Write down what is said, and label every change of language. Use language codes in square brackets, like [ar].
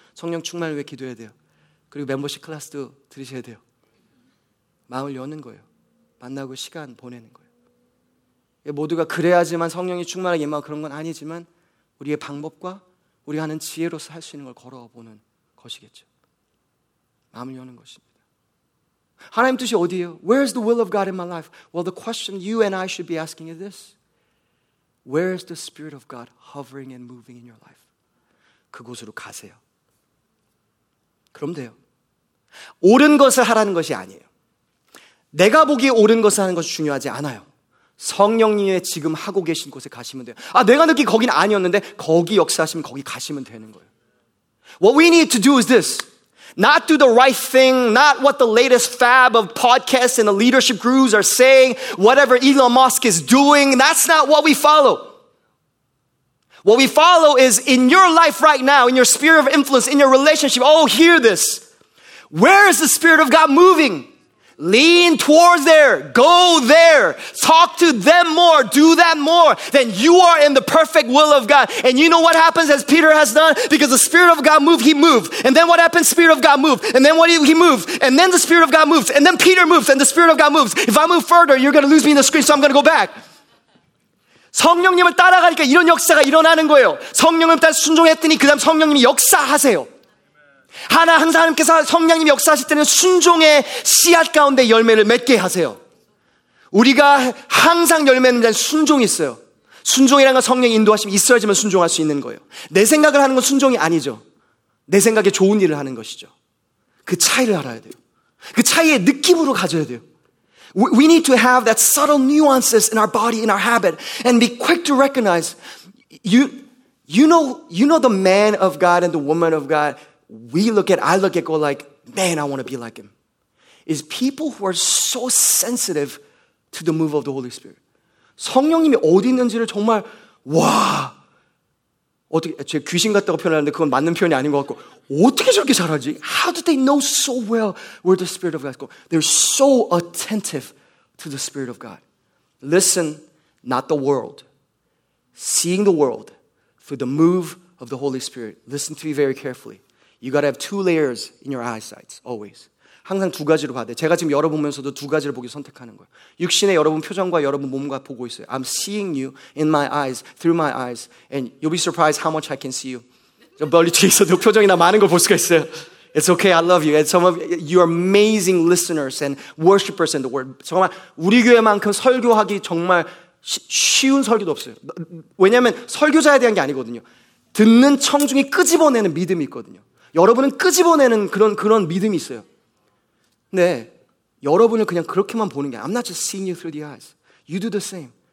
[ko] 성령 충만을 위해 기도해야 돼요. 그리고 멤버십 클래스도 들으셔야 돼요. 마음을 여는 거예요. 만나고 시간 보내는 거예요. 모두가 그래야지만 성령이 충만하게 임하고 그런 건 아니지만 우리의 방법과 우리가 하는 지혜로서 할 수 있는 걸 걸어보는 것이겠죠. 마음을 여는 것입니다. 하나님 뜻이 어디예요? [en] Where is the will of God in my life? Well, the question you and I should be asking is this. Where is the Spirit of God hovering and moving in your life? 그곳으로 가세요. 그럼 돼요. 옳은 것을 하라는 것이 아니에요. 내가 보기에 옳은 것을 하는 것이 중요하지 않아요. 성령님의 지금 하고 계신 곳에 가시면 돼요. 아, 내가 느끼 거긴 아니었는데 거기 역사하시면 거기 가시면 되는 거예요. What we need to do is this. Not do the right thing, not what the latest fab of podcasts and the leadership gurus are saying, whatever Elon Musk is doing, that's not what we follow. What we follow is in your life right now, in your sphere of influence, in your relationship, oh, hear this. Where is the Spirit of God moving? Lean towards there. Go there. Talk to them more. Do that more. Then you are in the perfect will of God. And you know what happens as Peter has done? Because the Spirit of God moved, he moved. And then what happened? Spirit of God moved. And then what he moved. And then the Spirit of God moves. And then Peter moves. And the Spirit of God moves. If I move further, you're going to lose me in the screen, so I'm going to go back. [ko] 성령님을 따라가니까 이런 역사가 일어나는 거예요. 성령을 따라 순종했더니 그 다음 성령님이 역사하세요. 하나 항상 하나님께서 성령님이 역사하실 때는 순종의 씨앗 가운데 열매를 맺게 하세요. 우리가 항상 열매는 순종이 있어요. 순종이라는 건 성령이 인도하시면 있어야지만 순종할 수 있는 거예요. 내 생각을 하는 건 순종이 아니죠. 내 생각에 좋은 일을 하는 것이죠. 그 차이를 알아야 돼요. 그 차이의 느낌으로 가져야 돼요. [en] We need to have that subtle nuances in our body, in our habit, and be quick to recognize you know the man of God and the woman of God. We look at, I look at, go like, man, I want to be like him. Is people who are so sensitive to the move of the Holy Spirit. [ko] 성령님이 어디 있는지를 정말, 와, 어떻게, 제가 귀신 같다고 표현하는데 그건 맞는 표현이 아닌 것 같고, 어떻게 저렇게 잘하지? [en] How do they know so well where the Spirit of God is going? They're so attentive to the Spirit of God. Listen, not the world. Seeing the world through the move of the Holy Spirit. Listen to me very carefully. You gotta have two layers in your eyesight, always. [ko] 항상 두 가지로 봐야 돼. 제가 지금 여러분 보면서도 두 가지를 보기 선택하는 거예요. 육신의 여러분 표정과 여러분 몸과 보고 있어요. [en] I'm seeing you in my eyes, through my eyes, and you'll be surprised how much I can see you. [ko] 저 멀리 뒤에 있어도 표정이나 많은 걸 볼 수가 있어요. [en] It's okay, I love you. And some of you are amazing listeners and worshipers in the world. [ko] 정말 우리 교회만큼 설교하기 정말 쉬운 설교도 없어요. 왜냐하면 설교자에 대한 게 아니거든요. 듣는 청중이 끄집어내는 믿음이 있거든요. 여러분은 끄집어내는 그런 믿음이 있어요. 네, 여러분을 그냥 그렇게만 보는 게 아니라 [en] I'm not just seeing you through the eyes. You do the same.